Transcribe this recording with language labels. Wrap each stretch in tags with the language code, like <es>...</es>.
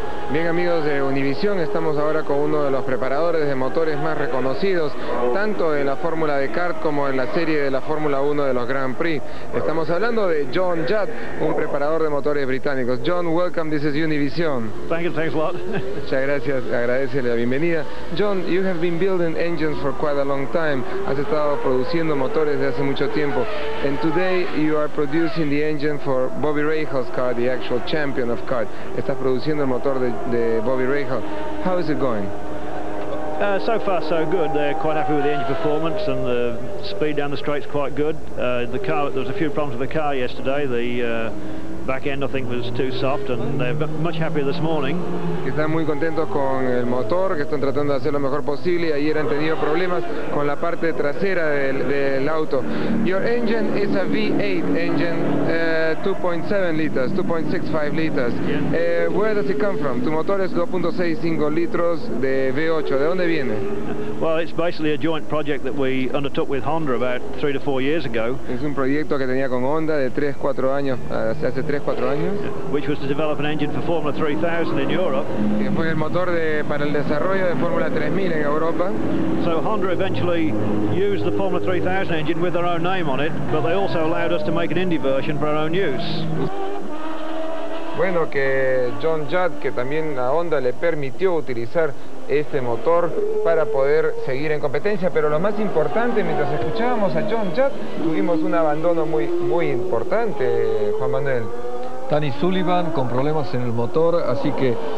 <es>Bien, amigos de Univisión, estamos ahora con uno de los preparadores de motores más reconocidos, tanto en la Fórmula de kart como en la serie de la Fórmula 1 de los Grand Prix. Estamos hablando de John Judd, un preparador de motores británicos.</es> <en>John, welcome, this is Univision. Thank you, thanks a lot.</en> <es>Muchas gracias, agradece la bienvenida.</es> <en>John, you have been building engines for quite a long time.</en> <es>Has estado produciendo motores de hace mucho tiempo.</es> <en>And today you are producing the engine for Bobby Rahal's car, the actual champion of kart.</en> <es>Estás produciendo el motor de Bobby Rahal.</es> <en>How is it going? So far so good. They're quite happy with the engine performance, and the speed down the straight's quite good. The car, there was a few problems with the car yesterday. The back end, I think, was too soft, and they're much happier this morning.</en> <es>Están muy contentos con el motor, que están tratando de hacer lo mejor posible. Ayer han tenido problemas con la parte trasera del auto.</es> <en>Your engine is a V8 engine, 2.7 liters, 2.65 liters. Yeah. Where does it come from?</en> <es>Tu motor es 2.65 litros de V8. ¿De dónde viene?</es> <en>Well, it's basically a joint project that we undertook with Honda about 3 to 4 years ago.</en> <es>Es un proyecto que tenía con Honda de 3-4 años, hace 3-4 años.</es> <en>Which was to develop an engine for Formula 3000 in Europe.</en> <es>Que fue el motor para el desarrollo de Formula 3000 en Europa.</es> <en>So Honda eventually used the Formula 3000 engine with their own name on it, but they also allowed us to make an Indy version for our own use.</en> <es>Bueno, que John Judd, que también la Honda le permitió utilizar este motor para poder seguir en competencia. Pero lo más importante, mientras escuchábamos a John Judd, tuvimos un abandono muy, muy importante, Juan Manuel. Danny Sullivan con problemas en el motor, así que...</es>